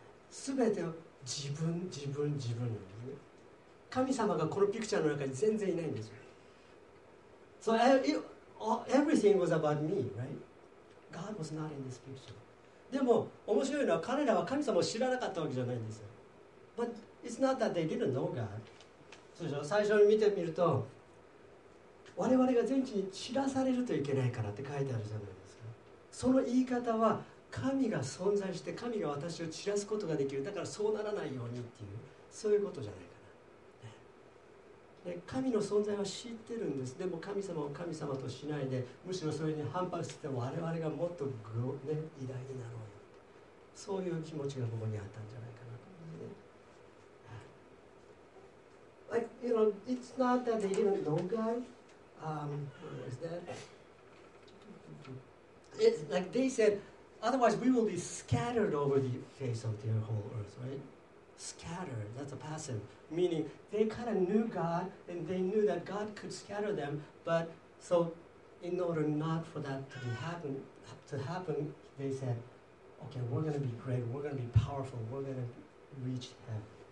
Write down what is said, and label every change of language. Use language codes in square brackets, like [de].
[ja] 全て自分、自分、自分なんですね。神様がこのピクチャーの中に全然いないんですよ。 [en] So everything was about me, right? God was not in this picture. [ja] でも面白いのは彼らは神様を知らなかったわけじゃないんですよ。 [en] But it's not that they didn't know God. [ja] そうでしょ、最初に見てみると我々が全地に散らされるといけないからって書いてあるじゃないですか。その言い方は神が存在して神が私を散らすことができる、だからそうならないようにっていう、そういうことじゃないかな。で、神の存在は知ってるんです。でも神様を神様としないで、むしろそれに反発して我々がもっとぐ、ね、偉大になろうよ、そういう気持ちがここにあったんじゃないかなと思うんですね。 [en] Like, you know, it's not that they didn't know GodIt's like they said, otherwise we will be scattered over the face of the whole earth, right? Scattered, that's a passive. Meaning, they kind of knew God, and they knew that God could scatter them, but so in order not for that to happen, they said, okay, we're going to be great, we're going to be powerful, we're going to reach heaven.